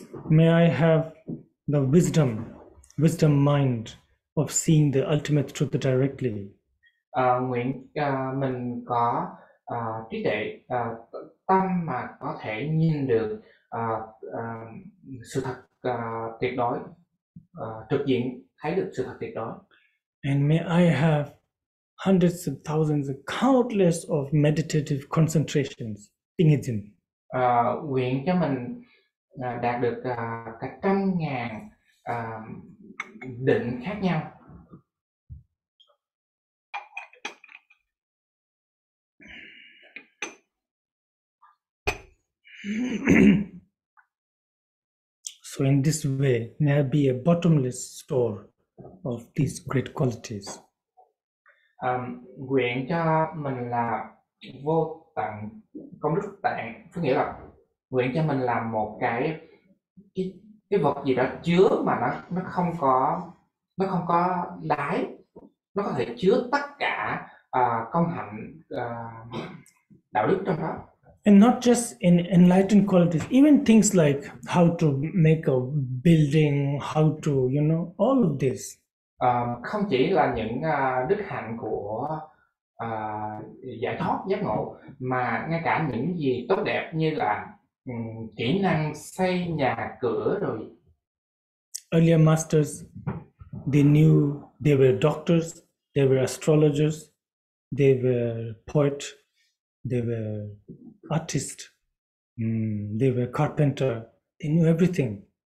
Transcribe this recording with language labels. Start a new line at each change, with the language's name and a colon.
English: May I have the wisdom mind of seeing the ultimate truth directly.
Vietnamese: Nguyện mình có trí tuệ tâm mà có thể nhìn được sự thật tuyệt đối, trực diện thấy được sự thật tuyệt đối.
English: And may I have hundreds of thousands of countless of meditative concentrations in it.
Vietnamese: Nguyện cho mình đạt được cả trăm ngàn định khác nhau.
English: So in this way, may I be a bottomless store of these great qualities.
Vietnamese: Nguyện cho mình là vô tận công đức tạng, có nghĩa là nguyện cho mình là một cái vật gì đó chứa mà nó không có đáy, nó có thể chứa tất cả công hạnh đạo đức trong đó.
English: And not just in enlightened qualities, even things like how to make a building, how to, you know, all of this.
Vietnamese: Không chỉ là những đức hạnh của giải thoát giác ngộ, mà ngay cả những gì tốt đẹp như là kỹ năng xây nhà cửa rồi.
English: Earlier masters, they knew, they were doctors, they were astrologers, they were poets, they were artists, they were carpenter, they knew everything.